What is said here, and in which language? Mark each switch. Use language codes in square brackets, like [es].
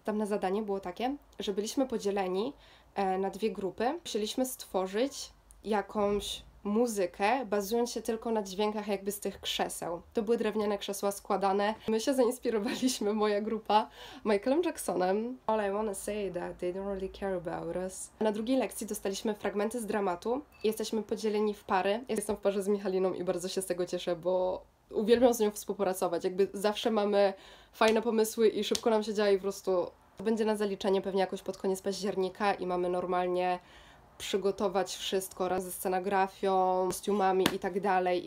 [pl] Tam na zadanie było takie, że byliśmy podzieleni na dwie grupy. Musieliśmy stworzyć jakąś muzykę, bazując się tylko na dźwiękach jakby z tych krzeseł. To były drewniane krzesła składane. My się zainspirowaliśmy, moja grupa, Michaelem Jacksonem. [en] All I wanna say that they don't really care about us. [pl] Na drugiej lekcji dostaliśmy fragmenty z dramatu. Jesteśmy podzieleni w pary. Jestem w parze z Michaliną i bardzo się z tego cieszę, bo uwielbiam z nią współpracować. Jakby zawsze mamy fajne pomysły i szybko nam się działa i po prostu to będzie na zaliczenie pewnie jakoś pod koniec października i mamy normalnie przygotować wszystko razem ze scenografią, kostiumami i tak dalej.